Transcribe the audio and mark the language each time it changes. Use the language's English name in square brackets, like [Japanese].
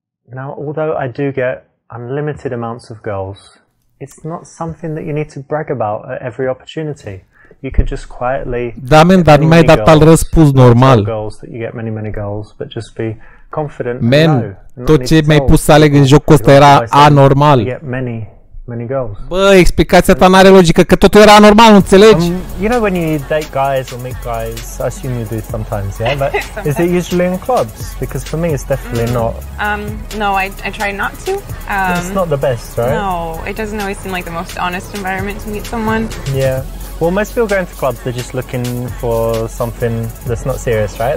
[English] Now, although I do get unlimited amounts of girls, it's not something that you need to brag about at every opportunity. You could just quietly... [Romanian] Da, men, dar n-ai dat al răspuns normal. [English] ...girls that you get many, many girls, but just be... confident, man, no, [Romanian] tot ce mi-ai pus să aleg în jocul ăsta era anormal. Bă, explicația ta n-are logică, că totul era anormal, nu înțelegi? [English] You know when you date guys or meet guys, I assume you do sometimes, yeah? But is it usually in clubs? Because for me it's definitely not. No, I try not to. It's not the best, right? No, it doesn't always seem like the most honest environment to meet someone. Yeah. Well, most people going to clubs, they're just looking for something that's not serious, right?